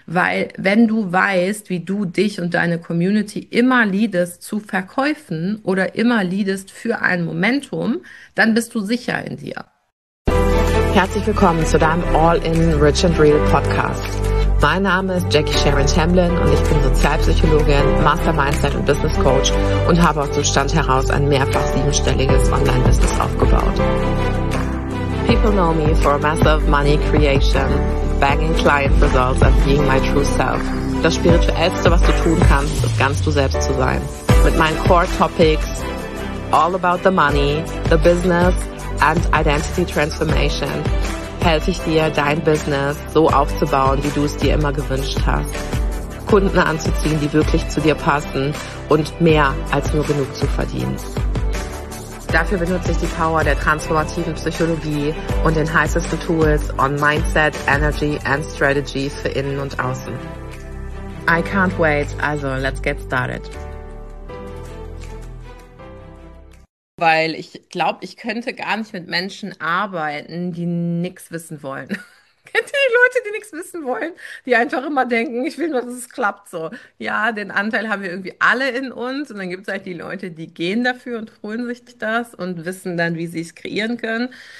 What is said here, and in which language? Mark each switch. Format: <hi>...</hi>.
<de>Weil wenn du weißt, wie du dich und deine Community immer leadest zu Verkäufen oder immer leadest für ein Momentum, dann bist du sicher in dir. Herzlich willkommen zu deinem All-in Rich and Real Podcast. Mein Name ist Jackie Sharon Tamblyn und ich bin Sozialpsychologin, Master Mindset und Business Coach und habe aus dem Stand heraus ein mehrfach 7-stelliges Online-Business aufgebaut.</de> <en>People know me for massive money creation, banging client results and being my true self.</en> <de>Das Spirituellste, was du tun kannst, ist ganz du selbst zu sein. Mit meinen Core Topics,</de> <en>all about the money, the business and identity transformation,</en> <de>helfe ich dir, dein Business so aufzubauen, wie du es dir immer gewünscht hast. Kunden anzuziehen, die wirklich zu dir passen und mehr als nur genug zu verdienen. Dafür benutze ich die Power der transformativen Psychologie und den heißesten Tools</de> <en>on Mindset, Energy and Strategy</en> <de>für Innen und Außen.</de> <en>I can't wait, also let's get started.</en> <de>Weil ich glaube, ich könnte gar nicht mit Menschen arbeiten, die nichts wissen wollen. Kennt ihr die Leute, die nichts wissen wollen? Die einfach immer denken, ich will nur, dass es klappt so. Ja, den Anteil haben wir irgendwie alle in uns. Und dann gibt es halt die Leute, die gehen dafür und holen sich das und wissen dann, wie sie es kreieren können.</de>